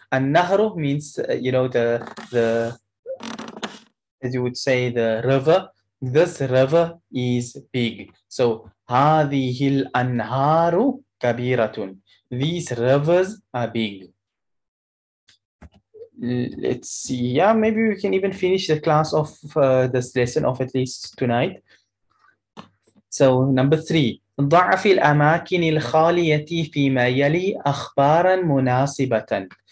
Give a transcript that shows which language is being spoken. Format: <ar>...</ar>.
<en>النهر means the river. This river is big. So</en> <ar>هذه الأنهار كبيرة.</ar> <en>These rivers are big. Let's see. Yeah, maybe we can even finish the class of this lesson of at least tonight. So number three,</en> <ar>ضعف الأماكن الخالية فيما يلي أخبارا مناسبة.</ar>